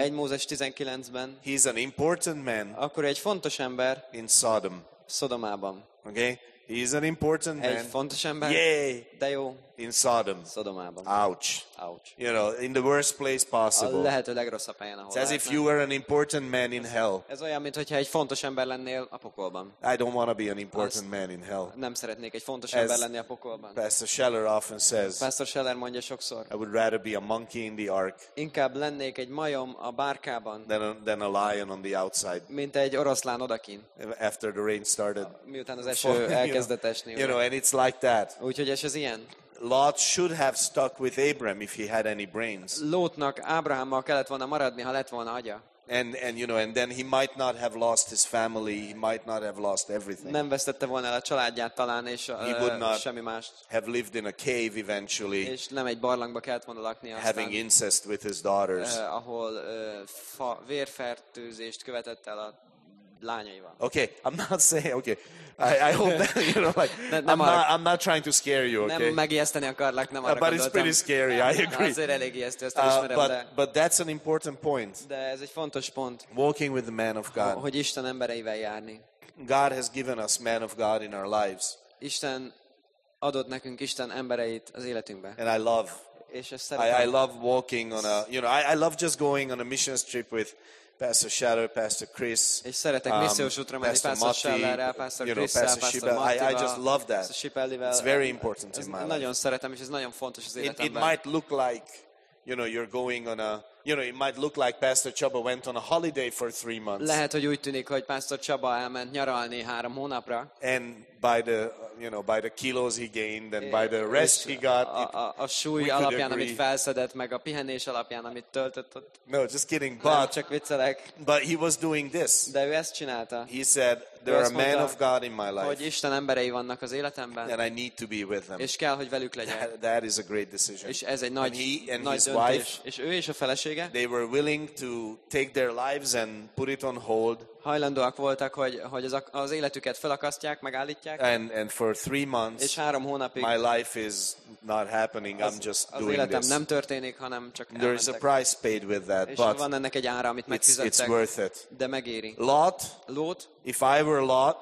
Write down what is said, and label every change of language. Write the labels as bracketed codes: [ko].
[hu] egy Mózes 19-ben, [en] he's an important man, [hu] akkor egy fontos ember, [en] in Sodom. [hu] Szodomában. [en] Okay? He is an important [hu] egy [en] man. [hu] Egy fontos ember. [en] Yay! [hu] De jó. [en] In Sodom. [hu] Szodomában. [en] Ouch. Ouch. You know, in the worst place possible. [hu] A lehető legrosszabb helyen, ahol [en] it's as if you were an important man in hell. [hu] Ez olyan, mintha egy fontos ember lennél a pokolban. [en] I don't want to be an important man in hell. [hu] Nem szeretnék egy fontos ember lenni a pokolban. [en] Pastor Scheller often says. [hu] Pastor Scheller mondja sokszor. [en] I would rather be a monkey in the ark. [hu] Inkább lennék egy majom a bárkában. [en] Than a lion on the outside. [hu] Mint egy oroszlán odakin. [en] After the rain started. [hu] Miután az eső elkezdett esni. [en] You know, and it's like that. [hu] Úgyhogy ez ilyen. [en] Lot should have stuck with Abram if he had any brains. [hu] Lotnak Ábrahámmal kellett volna maradni, ha lett volna agya. [en] And you know, and then he might not have lost his family, he might not have lost everything. [hu] Nem vesztette volna el a családját talán, és [en] he would not [hu] semmi mást. [en] Have lived in a cave eventually. [hu] És nem egy barlangba kellett volna laknia. [en] Having incest with his daughters. [hu] Ahol vérfertőzést követett el a lányaival. [en] Okay, I'm not saying okay. I hope that, you know, like I'm not trying to scare you. Okay. [hu] Nem megijeszteni akarlak, nem arra [en] gondoltam. But it's pretty scary. I agree. [hu] Azért elég ijesztő, ezt ismerem, [en] but that's an important point. [hu] De ez egy fontos pont. [en] Walking with the man of God. [hu] Hogy Isten embereivel járni. [en] God has given us man of God in our lives. [hu] Isten adott nekünk Isten embereit az életünkbe. [en] And I love. [hu] És [en] I love walking on a, you know, I love just going on a missions trip with Pastor Shadow, Pastor Chris, [hu] és szeretek missziós útra menni Pastor Schellerrel, Pastor Chris-szel, Pastor Shibel. [en] I just love that. It's very important in my life. [hu] Nagyon szeretem, és ez nagyon fontos az életemben. [en] It might look like, you know, you're going on a, you know, it might look like Pastor Chaba went on a holiday for 3 months. [hu] Lehet, hogy úgy tűnik, hogy Pastor Chaba elment nyaralni 3 hónapra. [en] And by the, you know, by the kilos he gained and by the rest he got, [hu] a súly alapján, amit felszedett, meg a pihenés alapján, amit töltött ott. [en] No, just kidding. But [hu] nem, csak viccelek. [en] But he was doing this. [hu] De ő ezt csinálta. [en] He said, there are men of God in my life. [hu] Hogy Isten emberei vannak az életemben. [en] And I need to be with them. [hu] És kell, hogy velük legyek. [en] That is a great decision. [hu] És ez egy nagy, nagy döntés. Wife, és ő és a felesége. [en] They were willing to take their lives and put it on hold. [hu] Hajlandóak voltak, hogy az életüket felakasztják, megállítják. [en] And for 3 months, [hu] és 3 hónapig, [en] my life is not happening. I'm just doing this. [hu] Az életem nem történik, hanem csak [en] elmentek. There is a price paid with that, [hu] és [en] but [hu] van ennek egy ára, amit megfizettek. [en] It's worth it. [hu] De megéri. [en] Lot, if I were Lot,